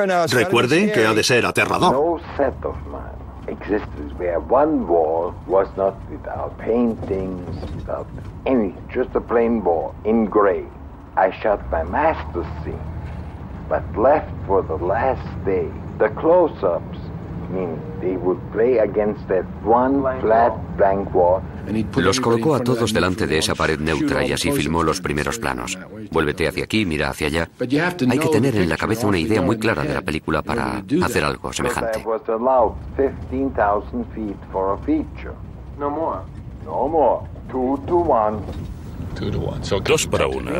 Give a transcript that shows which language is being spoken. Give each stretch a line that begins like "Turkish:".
Spanish: Recuerden que ha de ser aterrador.
English: Existence where one wall was not without paintings, without anything, just a plain wall in gray. I shot my master scene, but left for the last day. The close-ups, meaning they would play against that one flat blank wall.
Spanish: Los colocó a todos delante de esa pared neutra y así filmó los primeros planos. Vuélvete hacia aquí, mira hacia allá. Hay que tener en la cabeza una idea muy clara de la película para hacer algo semejante. Dos para una.